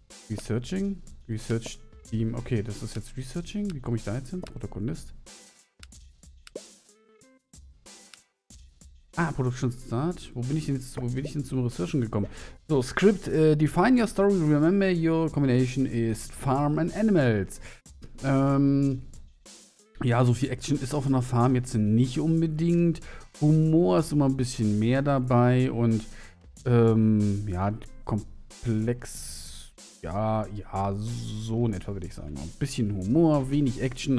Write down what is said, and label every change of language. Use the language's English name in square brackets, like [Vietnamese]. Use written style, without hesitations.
[German] Researching, Research Team. Okay, das ist jetzt Researching. Wie komme ich da jetzt hin? Protagonist. Ah, Production Start. Wo bin ich denn zum Researchen gekommen? [English] So, Script. Define your story. Remember, your combination is Farm and Animals. [German] Ja, so viel Action ist auf einer Farm jetzt nicht unbedingt. Humor ist immer ein bisschen mehr dabei. Und ja, komplex. Ja, so in etwa würde ich sagen. Ein bisschen Humor, wenig Action.